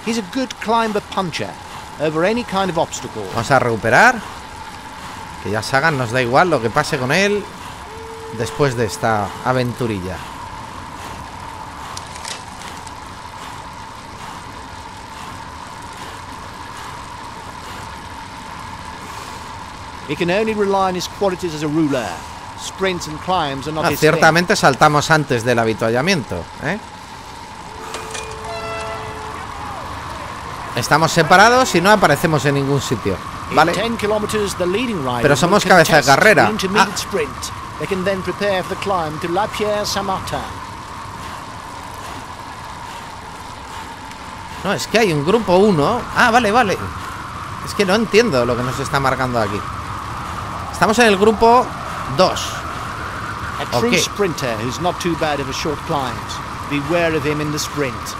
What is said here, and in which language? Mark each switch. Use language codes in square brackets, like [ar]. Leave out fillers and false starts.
[en] He's a good climber puncher over any kind of obstacle. [es] Vamos a recuperar. Que ya Sagan nos da igual lo que pase con él. Después de esta aventurilla. [en] He can only rely on his qualities as a ruler. Sprints and climbs are not his. [es] Ciertamente saltamos antes del avituallamiento, ¿eh? Estamos separados y no aparecemos en ningún sitio, ¿vale? Pero somos cabeza de carrera. [en] They can then prepare for the climb to La Pierre Samata. [es] No, es que hay un grupo 1. Ah, vale. Es que no entiendo lo que nos está marcando aquí. Estamos en el grupo 2. [en] A true sprinter who's not too bad of a short climb. Beware of him in the sprint.